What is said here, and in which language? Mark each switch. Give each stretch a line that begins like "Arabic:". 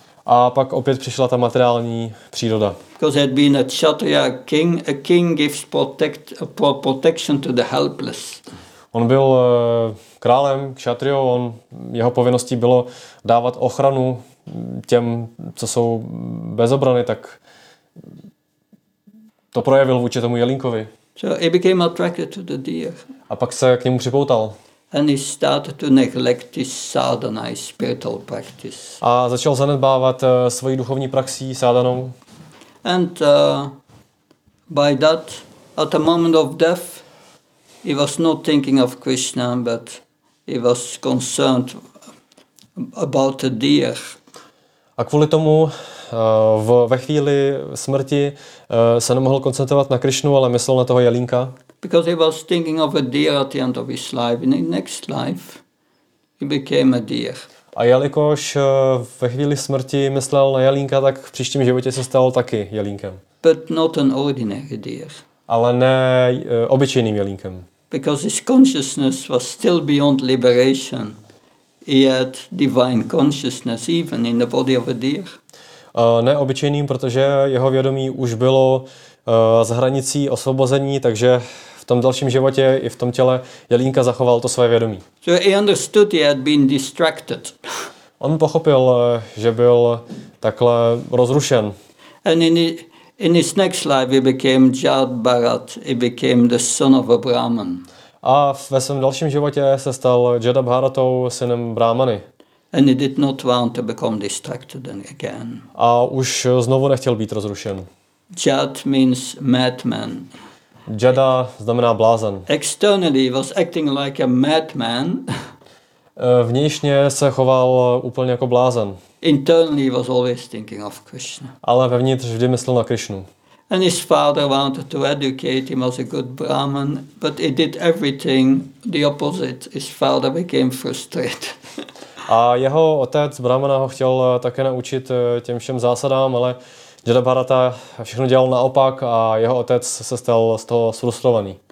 Czech: A pak opět přišla ta materiální příroda.
English: Because there'd been a kshatriya king, a king gives protection to the helpless.
Czech: On byl králem kšatrio, on jeho povinností bylo dávat ochranu těm, co jsou bezobrany, tak to projevil vůči tomu jelínkovi.
English: So he became attracted to the deer.
Czech: A pak se k němu připoutal.
English: And he started to neglect his sadhana, his spiritual practice.
Czech: A začal zanedbávat svoji duchovní praxi, sadhanou.
English: And by that, at the moment of death, he was not thinking of Krishna, but he was concerned about the deer.
Czech: A kvůli tomu ve chvíli smrti se nemohl koncentrovat na Krishnu, ale myslel na toho jelínka.
English: Because he was thinking of a deer at the end of his life. In his next life, he became a deer.
Czech: A jelikož ve chvíli smrti myslel na jelínka, tak v příštím životě se stal taky jelínkem.
English: But not an ordinary deer.
Czech: Ale ne obyčejným jelínkem.
English: Because his consciousness was still beyond liberation. He had divine consciousness even in the body of a deer.
Czech: Ne obyčejným, protože jeho vědomí už bylo z hranicí osvobození, takže v tom dalším životě i v tom těle jelínka zachoval to své vědomí.
English: So he understood he had been distracted.
Czech: On pochopil, že byl takhle rozrušen.
English: And in his next life he became Jat Bharat, he became the son of a Brahman.
Czech: A ve svém dalším životě se stal Jada Bharatou, synem Brahmany.
English: And he did not want to become distracted again.
Czech: A už znovu nechtěl být rozrušen.
English: Jad means madman.
Czech: Jada znamená blázen.
English: Externally was acting like a madman.
Czech: Vnějšně se choval úplně jako blázen.
English: Internally was always thinking of Krishna.
Czech: Ale vevnitř vždy myslel na Krishnu.
English: And his father wanted to educate him as a good Brahman, but he did everything the opposite. His father became frustrated.
Czech: A jeho otec Brahmana ho chtěl také naučit těm všem zásadám, ale Jada Bharata všechno dělal naopak a jeho otec se stal z toho frustrovaný.